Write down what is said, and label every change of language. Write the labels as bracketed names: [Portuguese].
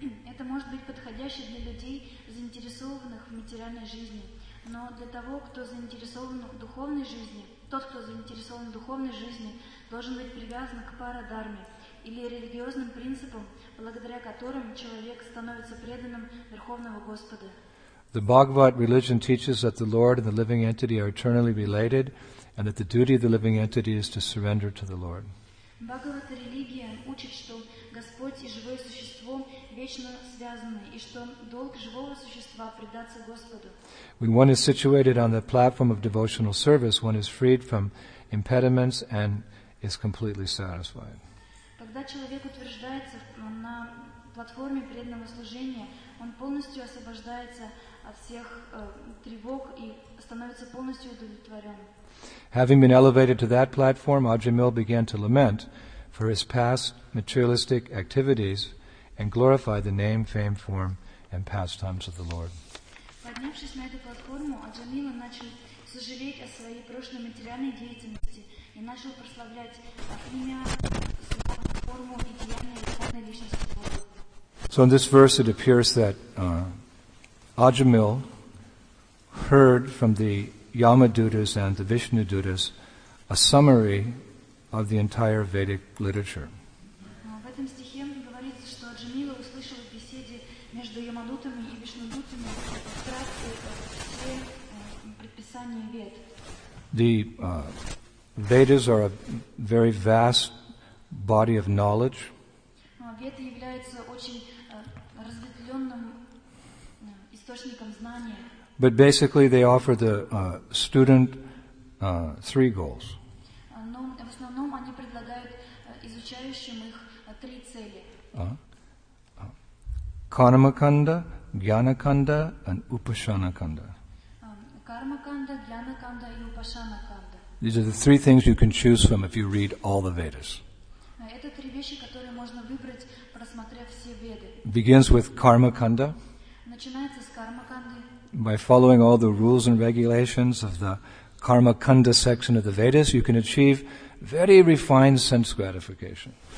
[Russian] Это может быть подходящее для людей, заинтересованных в материальной жизни. Но для того, кто заинтересован в духовной жизни, тот, кто заинтересован в духовной жизни, должен быть привязан к парадхарме или религиозным принципам, благодаря которым человек становится преданным Верховного Господа. [English] The Bhagavad religion teaches that the Lord and the living entity are eternally related, and that the duty of the living entity is to surrender to the Lord. [Russian] Бхагавата религия учит, что Господь и живое существо вечно связаны, и что долг живого существа предаться Господу. [English] When one is situated on the platform of devotional service, one is freed from impediments and is completely satisfied. [Russian] Когда человек утверждается на платформе преданного служения, он полностью освобождается от всех тревог и становится полностью удовлетворен. [English] Having been elevated to that platform, Ajamil began to lament for his past materialistic activities and glorify the name, fame, form, and pastimes of the Lord. [Russian] Поднявшись на эту платформу, Аджамила начал сожалеть о своей прошлой материальной деятельности и начал прославлять имя, форму и деяния духовной личности Бога. [English] So in this verse it appears that Ajamil heard from the Yamadutas and the Vishnudutas a summary of the entire Vedic literature. [Russian] В этом стихе говорится, что Аджамила услышал в беседе между Ямадутами и Вишнудутами вкратце все предписания Вед. [English] The Vedas are a very vast body of knowledge. [Russian] Веды являются очень разветвленным источником знания. [English] But basically they offer the student three goals. [Russian] Но в основном они предлагают изучающим их три цели. [English] Кармаканда, гьянаканда and упашанаканда. [Russian] Кармаканда, гьянаканда и упашанаканда. [English] These are the three things you can choose from if you read all the Vedas. [Russian] Это три вещи, которые можно выбрать, просмотрев все Веды. [English] Begins with кармаканда. [Russian] Начинается с кармаканды. [English] By following all the rules and regulations of the Karmakanda section of the Vedas, you can achieve very refined sense gratification.